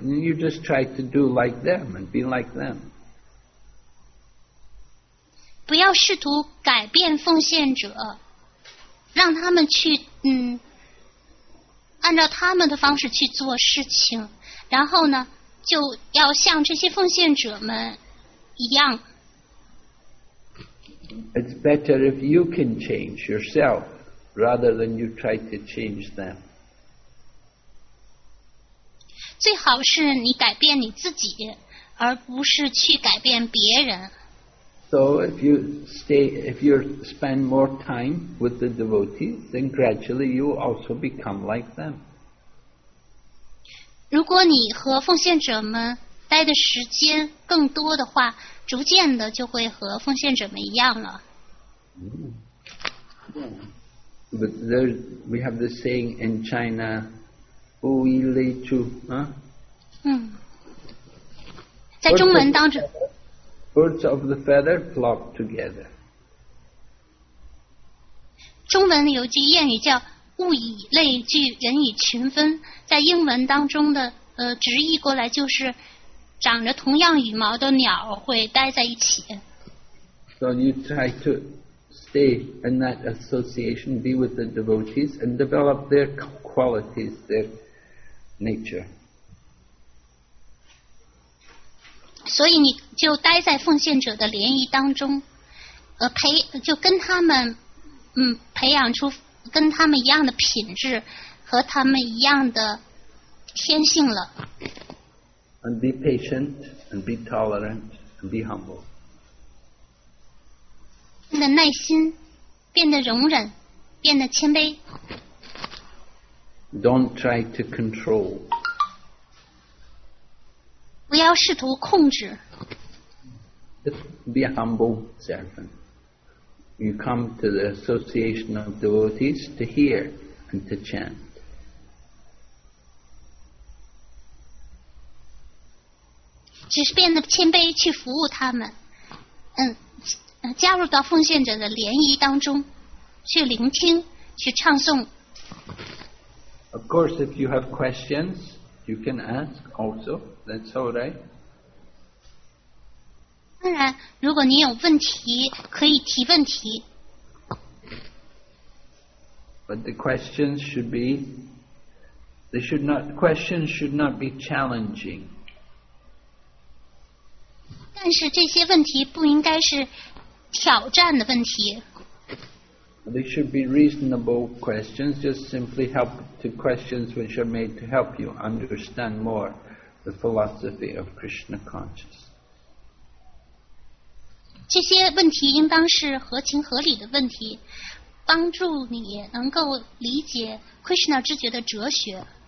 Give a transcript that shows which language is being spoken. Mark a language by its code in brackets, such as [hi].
[en] You just try to do like them and be like them. [zh] 不要试图改变奉献者，让他们去按照他们的方式去做事情，然后呢，就要像这些奉献者们一样。 [en] It's better if you can change yourself. Rather than you try to change them. [zh] 最好是你改变你自己，而不是去改变别人。 [en] So if you spend more time with the devotees, then gradually you will also become like them. [zh] 如果你和奉献者们待的时间更多的话，逐渐的就会和奉献者们一样了。 [en] But there, we have the saying in China, "Ui Li Chu." Huh? [zh] 在中文当中 [en] birds of the feather flock together. [zh] 中文有句谚语叫“物以类聚，人以群分”。在英文当中的直译过来就是，长着同样羽毛的鸟会待在一起。 [en] So you try to. Stay in that association, be with the devotees, and develop their qualities, their nature. [zh] 所以你就待在奉献者的联谊当中，就跟他们，培养出跟他们一样的品质和他们一样的天性了。 [en] And be patient, and be tolerant, and be humble. [zh] 变得耐心，变得容忍，变得谦卑。 [en] Don't try to control. [zh] 不要试图控制。 [en] Just be a humble servant. You come to the association of devotees to hear and to chant. [zh] 只是变得谦卑去服务他们，加入到奉献者的联谊当中，去聆听，去唱诵。 [en] Of course, if you have questions, you can ask also. That's all right. [zh] 当然，如果你有问题，可以提问题。 [en] But the questions should be, they should not. Questions should not be challenging. [zh] 但是这些问题不应该是挑战的问题。 [en] They should be reasonable questions, just simply help to questions which are made to help you understand more the philosophy of Krishna consciousness. [zh] 这些问题应当是合情合理的问题，帮助你能够理解 Krishna 知觉的哲学。